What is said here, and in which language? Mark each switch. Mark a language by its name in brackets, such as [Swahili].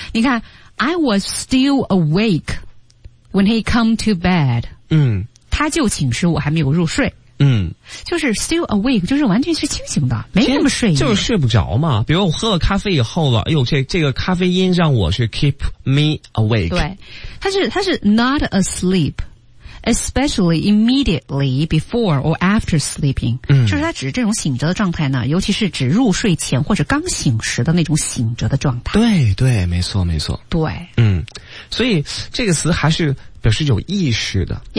[English] 你看 I was still awake when he came to bed， [Chinese] 嗯，他就寝室，我还没有入睡，就是 still awake， 就是完全是清醒的，没什么睡意，就是睡不着嘛。比如我喝了咖啡以后了，哎呦，这个咖啡因让我是 [English] keep me awake。 [Chinese] 对，它是 [English] not asleep， especially immediately before or after sleeping。 [Chinese] 就是它指这种醒着的状态呢，尤其是指入睡前或者刚醒时的那种醒着的状态。对对，没错没错。对，所以这个词还是表示有意识的，